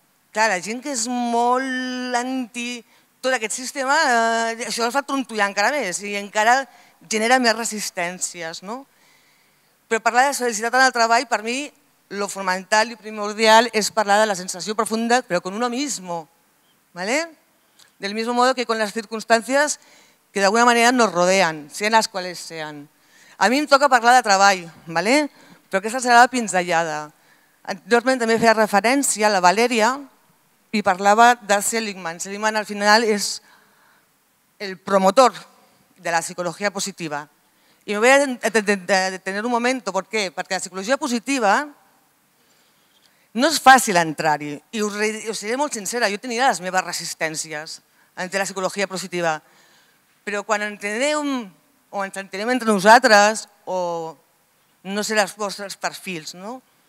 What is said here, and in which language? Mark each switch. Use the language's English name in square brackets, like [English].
[Catalan] Clar, la gent que és molt anti tot aquest sistema, això els fa trontollar encara més i encara genera més resistències, no? Però parlar de felicitat en el treball, per mi, lo fonamental i primordial és parlar de la sensació profunda, però [Spanish] con uno mismo, [Catalan] ¿vale? [Spanish] Del mismo modo que con las circunstancias que [Catalan] d'alguna manera [Spanish] nos rodean, sean las cuales sean. [Catalan] A mi em toca parlar de treball, ¿vale? Però aquesta serà la pinzellada. Anteriorment també feia referència a la Valeria i parlava de Seligman. Seligman al final és el promotor de la psicologia positiva. [Spanish] I me voy a detener un momento, ¿por qué? [Catalan] Perquè la psicologia positiva no és fàcil entrar-hi. I us seré molt sincera, jo tenia les meves resistències entre la psicologia positiva. Però quan entenem, o ens entenem entre nosaltres, o no sé els vostres perfils, no?